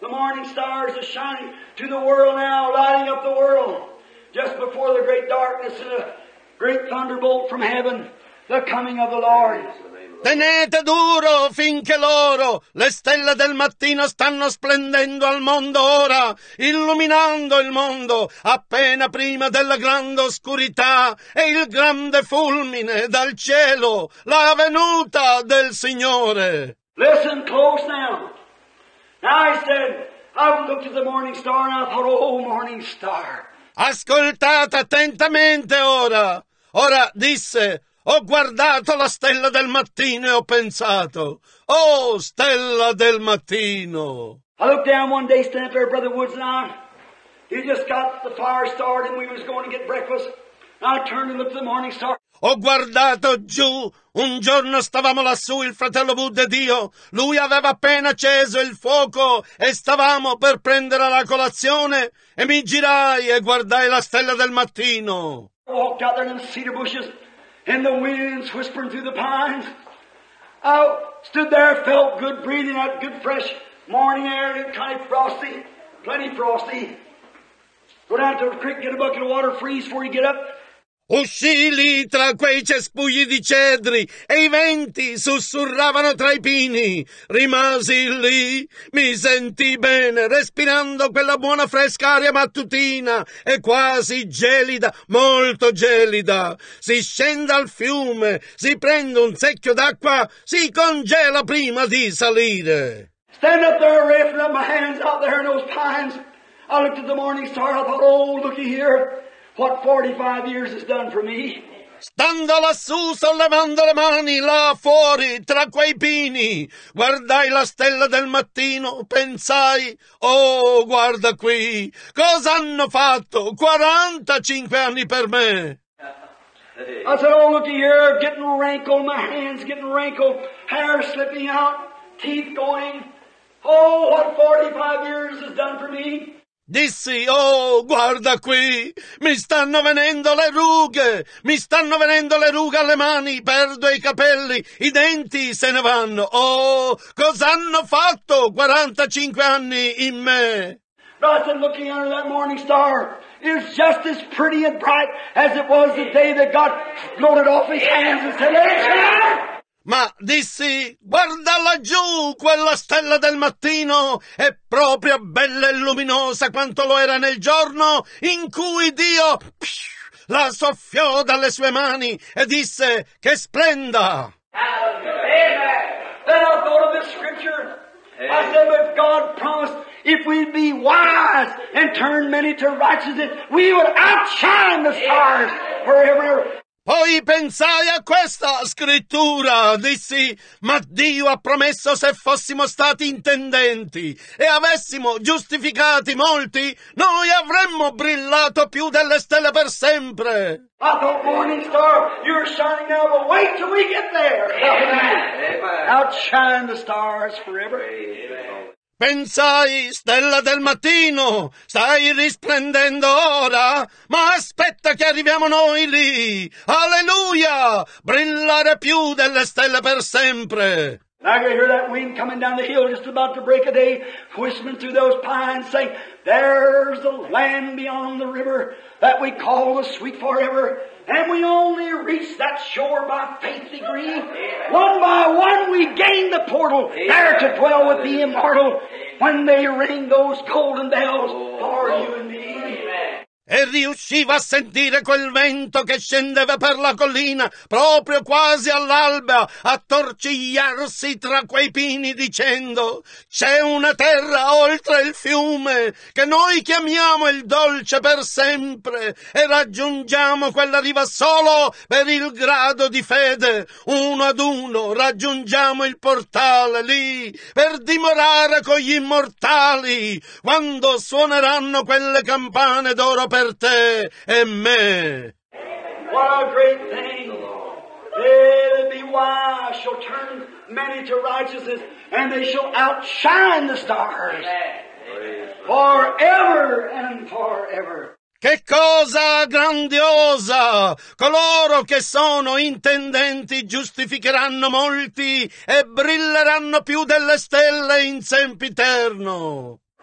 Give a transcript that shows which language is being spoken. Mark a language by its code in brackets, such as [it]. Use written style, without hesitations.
[en] The morning stars are shining to the world now, lighting up the world. Just before the great darkness and a great thunderbolt from heaven, the coming of the Lord. [it] Tenete duro finché loro, le stelle del mattino stanno splendendo al mondo ora, illuminando il mondo appena prima della grande oscurità e il grande fulmine dal cielo, la venuta del Signore. [en] Listen close now. Now I said, I would look to the morning star and I thought, oh morning star. [it] Ascoltate attentamente ora. Ora disse, ho guardato la stella del mattino e ho pensato, oh stella del mattino. [en] I looked down one day, standing there, Brother Woods and I. He just got the fire started and we was going to get breakfast. I turned and looked to the morning star. [it] Ho guardato giù, un giorno stavamo lassù, il fratello Bud e Dio, lui aveva appena acceso il fuoco e stavamo per prendere la colazione e mi girai e guardai la stella del mattino. [en] I walked out there in the cedar bushes and the winds whispering through the pines. I stood there, felt good breathing, that good fresh morning air, kind of frosty, plenty frosty. Go down to the creek, get a bucket of water, freeze before you get up. [it] Uscii lì tra quei cespugli di cedri e i venti sussurravano tra i pini. Rimasi lì, mi sentì bene, respirando quella buona fresca aria mattutina e quasi gelida, molto gelida. Si scende al fiume, si prende un secchio d'acqua, si congela prima di salire. [en] Stand up there, raising up my hands out there in those pines. I looked at the morning star, I thought, oh, looky here. What 45 years has done for me. [it] Stando lassù, sollevando le mani, là fuori, tra quei pini, guardai la stella del mattino, pensai, oh, guarda qui, cosa hanno fatto 45 anni per me? [en] I said, oh, looky here, getting wrinkled, my hands getting wrinkled, hair slipping out, teeth going, oh, what 45 years has done for me. [it] Dissi, oh, guarda qui, mi stanno venendo le rughe, mi stanno venendo le rughe alle mani, perdo i capelli, i denti se ne vanno. Oh, cosa hanno fatto 45 anni in me? [en] But I said, looking under that morning star, is just as pretty and bright as it was the day that God floated off his hands and said, let it shine. [it] Ma dissi, guarda laggiù, quella stella del mattino è proprio bella e luminosa quanto lo era nel giorno in cui Dio la soffiò dalle sue mani e disse che splenda. [en] Amen. Then I thought of this scripture. Hey. I said, if God promised, if we'd be wise and turn many to righteousness, we would outshine the stars forever. [it] Poi pensai a questa scrittura, dissi, ma Dio ha promesso se fossimo stati intendenti e avessimo giustificati molti, noi avremmo brillato più delle stelle per sempre. [en] I thought, morning star, you're shining now, but wait till we get there. Amen. Outshine the stars forever. Amen. [it] Pensai, stella del mattino, stai risplendendo ora, ma aspetta che arriviamo noi lì. Alleluia! Brillare più delle stelle per sempre. [en] I could hear that wind coming down the hill just about the break of day, whistling through those pines, saying, there's the land beyond the river that we call the sweet forever, and we only reach that shore by faith degree. Yeah. One by one we gain the portal, yeah, there to dwell with the immortal, when they ring those golden bells for you and me. [it] E riusciva a sentire quel vento che scendeva per la collina, proprio quasi all'alba, attorcigliarsi tra quei pini dicendo, c'è una terra oltre il fiume che noi chiamiamo il dolce per sempre e raggiungiamo quella riva solo per il grado di fede. Uno ad uno raggiungiamo il portale lì per dimorare con gli immortali quando suoneranno quelle campane d'oro per te e me. [en] What a great thing! They'll be wise, shall turn many to righteousness, and they shall outshine the stars forever and forever. [it] Che cosa grandiosa! Coloro che sono intendenti giustificheranno molti e brilleranno più delle stelle in sempiterno.